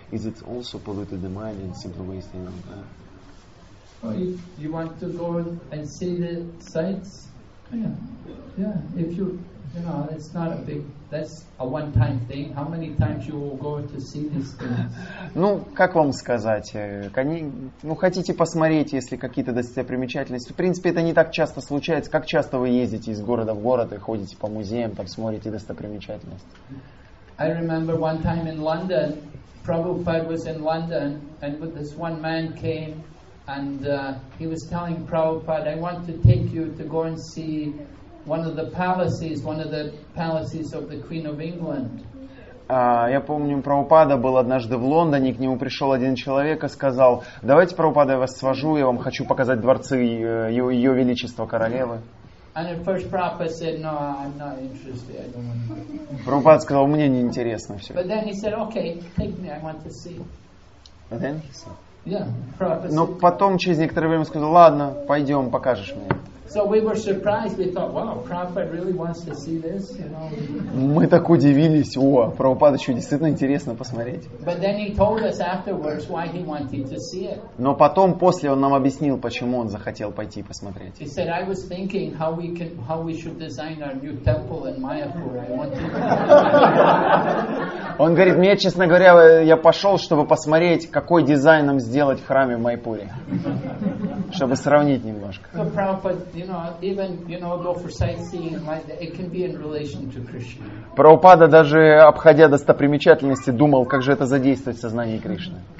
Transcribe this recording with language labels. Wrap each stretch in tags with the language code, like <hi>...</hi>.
<en>Is it also polluted the mind and simply wasting on that? If you want to go and see the sights, yeah. If you know, it's not a big. That's a one-time thing. How many times you will go to see these things?</en> <ru>Ну, как вам сказать? Ну, хотите посмотреть, если какие-то достопримечательности. В принципе, это не так часто случается. Как часто вы ездите из города в город и ходите по музеям, там смотрите достопримечательности?</ru> <en>I remember one time in London. Prabhupada was in London, and this one man came. And he was telling Prabhupada, I want to take you to go and see one of the palaces of the Queen of England.</en> <ru>Я помню, Прабхупада был однажды в Лондоне, к нему пришел один человек и сказал, давайте, Прабхупада, я вас свожу, я вам хочу показать дворцы ее величества королевы.</ru> <en>And at first Prabhupada said, no, I'm not interested, I don't want to go.</en> <ru>Прабхупада сказал, мне не интересно все.</ru> <en>But then he said, okay, take me, I want to see. And then he said, yeah,</en> <ru>но потом через некоторое время сказал, ладно, пойдем, покажешь мне.</ru> <en>So we were surprised. We thought, wow, Prabhupada really wants to see this. You know.</en> <ru>Мы так удивились. О, Прабхупада еще действительно интересно посмотреть.</ru> <en>But then he told us afterwards why he wanted to see it.</en> <ru>Но потом после он нам объяснил, почему он захотел пойти посмотреть.</ru> <en>He said, I was thinking how we should design our new temple in Mayapur. I wanted to.</en> <ru>Он говорит, мне, честно говоря, я пошел, чтобы посмотреть, какой дизайн нам сделать в храме в Майпуре, чтобы сравнить немножко.</ru> <en>So Prabhupada, you know, even, you know, go for sightseeing, it can be in relation to Krishna.</en> <ru>Прабхупада, даже обходя достопримечательности, думал, как же это задействовать в сознании Кришны.</ru>